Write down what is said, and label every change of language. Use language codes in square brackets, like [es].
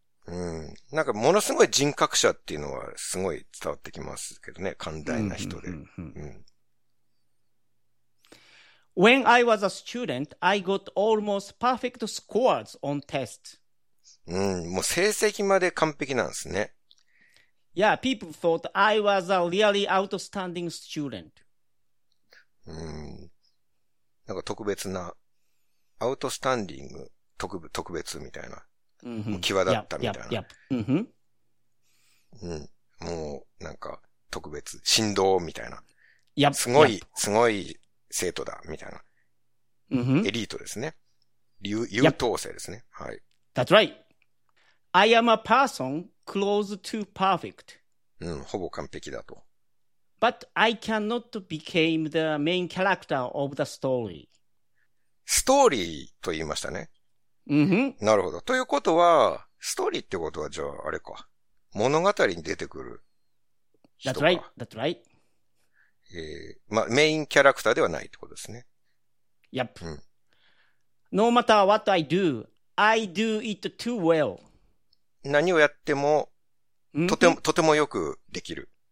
[ja] うん、なんかものすごい人格者っていうのはすごい伝わってきますけどね、寛大な人で。 [en] When I was a student, I got almost perfect scores on tests. [ja] うん、もう成績まで完璧なんですね。 [en] Yeah, people thought I was a really outstanding student. [ja] うん、なんか特別な、アウトスタンディング、特別みたいな。もう際立ったみたいな。 [en] Yep, yep, yep. Mm-hmm. [ja] うん、もう、なんか、特別、振動みたいな。 [en] Yep, [ja] すごい、 [en] yep. [ja] すごい生徒だ、みたいな。 [en] Mm-hmm. [ja] エリートですね。優等生ですね。Yep. はい。 [en] That's right. I am a person close to perfect. [ja] うん、ほぼ完璧だと。 [en] But I cannot became the main character of the story. [ja] ストーリーと言いましたね。うん、なるほど。ということは、ストーリーってことは、じゃあ、あれか。物語に出てくる人か。 [en] That's right. That's right. [ja] まあ、メインキャラクターではないってことですね。 [en] Yep.、 [ja] うん、 [en] no matter what I do, I do it too well. [ja] 何をやっても、とても、とてもよくできる。